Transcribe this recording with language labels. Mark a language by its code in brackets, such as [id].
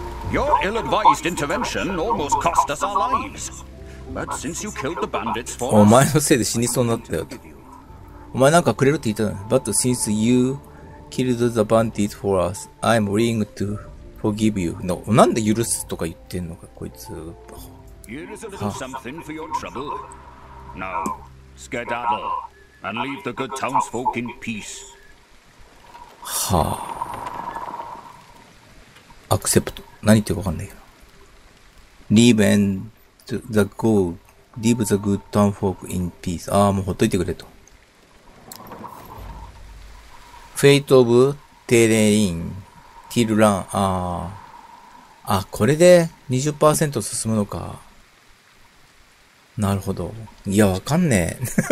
[en] Your ill-advised intervention almost cost us our lives. But since you killed the bandits for us, [ja] お前のせいで死にそうになったよって。お前なんかくれるって言ったの。 [en] But since you killed the bandits for us, I'm willing to. Forgive you. No. [ja] なんで許すとか言ってんのか、こいつ。許す [en] Something for your trouble. Now, skedaddle, and leave the good townsfolk in peace. はぁ、あ。アクセプト。 [ja] 何言ってるかわかんないけど。 [en] Leave and the good, leave the good townsfolk in peace. [ja] ああ、もうほっといてくれと。 [en] Fate of Terrain. [ja] ティルラン、あ、これで 20% 進むのか。なるほど。いや、わかんねえ。